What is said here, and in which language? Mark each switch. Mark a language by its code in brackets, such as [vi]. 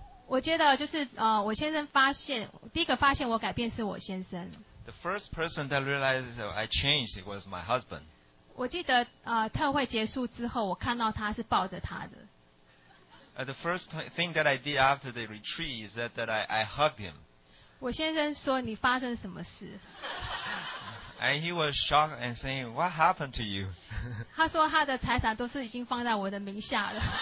[zh] 我觉得就是我先生发现第一个发现我改变是我先生。 [en] The first person that realized I changed was my husband. [zh] 我记得特会结束之后，我看到他是抱着他的。 [en] The first thing that I did after the retreat is that I hugged him. [zh] 我先生说你发生什么事 [en] And he was shocked and saying, what happened to you? [zh] 他说他的财产都是已经放在我的名下了。